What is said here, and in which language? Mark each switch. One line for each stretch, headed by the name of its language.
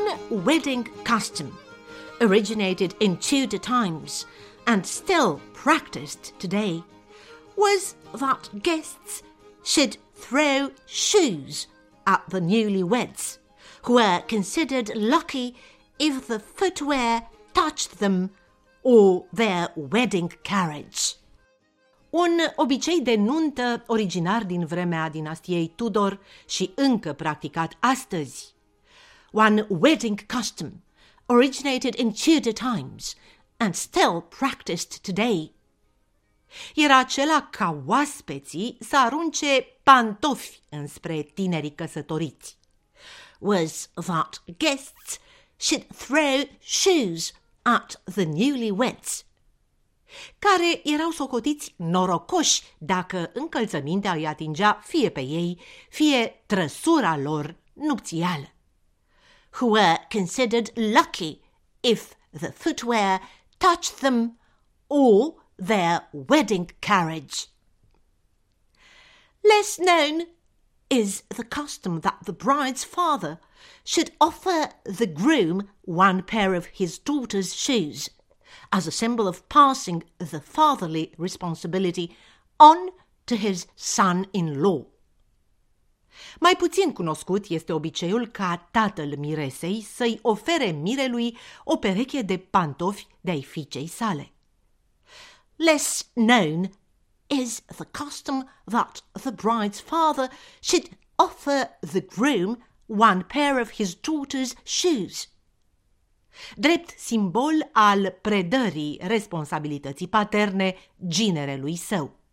English: Wedding custom, originated in Tudor times and still practiced today, was that guests should throw shoes at the newlyweds, who were considered lucky if the footwear touched them or their wedding carriage.
Romanian: Un obicei de nuntă originar din vremea dinastiei Tudor și încă practicat astăzi.
English: One wedding custom, originated in Tudor times and still practiced today.
Romanian: Era acela ca oaspeții să arunce pantofi înspre tinerii căsătoriți.
English: Was that guests should throw shoes at the newlyweds.
Romanian: Care erau socotiți norocoși dacă încălțămintea îi atingea fie pe ei, fie trăsura lor nupțială.
English: Who were considered lucky if the footwear touched them or their wedding carriage. Less known is the custom that the bride's father should offer the groom one pair of his daughter's shoes as a symbol of passing the fatherly responsibility on to his son-in-law.
Romanian: Mai puțin cunoscut este obiceiul ca tatăl miresei să-i ofere mirelui o pereche de pantofi de-ai fiicei sale.
English: Less known is the custom that the bride's father should offer the groom one pair of his daughter's shoes.
Romanian: Drept simbol al predării responsabilității paterne ginerelui său.